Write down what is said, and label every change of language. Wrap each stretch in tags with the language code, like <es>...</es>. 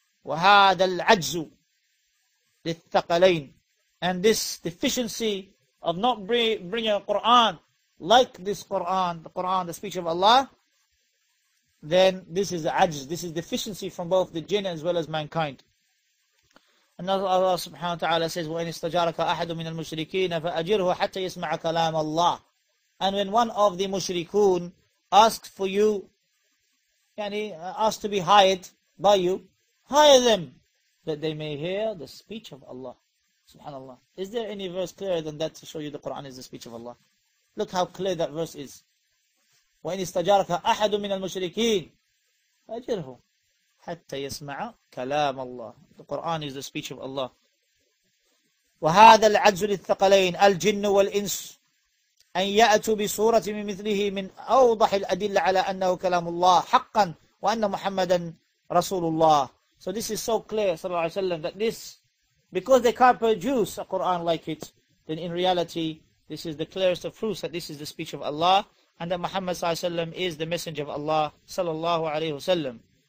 <ar>وَهَادَ الْعَجْزُ لِلْثَّقَلَيْنِ.</ar> <en>And this deficiency of not bringing a Qur'an like this Qur'an, the Qur'an, the speech of Allah, then this is ajz, this is deficiency from both the jinn as well as mankind. Allah subhanahu wa ta'ala says,</en> <ar>وَإِنِ اسْتَجَارَكَ أَحَدٌ مِنَ الْمُشْرِكِينَ فَأَجِرْهُ حَتَّى يَسْمَعَ كَلَامَ اللَّهِ.</ar> <en>And when one of the mushrikun asks for you, yani asks to be hired by you, hire them that they may hear the speech of Allah. Subhanallah. Is there any verse clearer than that to show you the Quran is the speech of Allah? Look how clear that verse is.</en> <ar>وَإِنِ اسْتَجَارَكَ أَحَدٌ مِنَ الْمُشْرِكِينَ فَأَجِرْهُ حتى يسمع كلام الله.</ar> <en>The Quran is the speech of Allah.</en> <ar>وهذا العجز للثقلين الجن والإنس أن يأتوا بصورة من مثله من أوضح الأدلة على أنه كلام الله حقا وأن محمدا رسول الله.</ar> <en>So this is so clear,</en> <ar>صلى الله عليه وسلم,</ar> <en>that this, because they can't produce a Quran like it, then in reality, this is the clearest of proofs that this is the speech of Allah and that Muhammad صلى الله عليه وسلم is the messenger of Allah, صلى الله عليه وسلم.</en>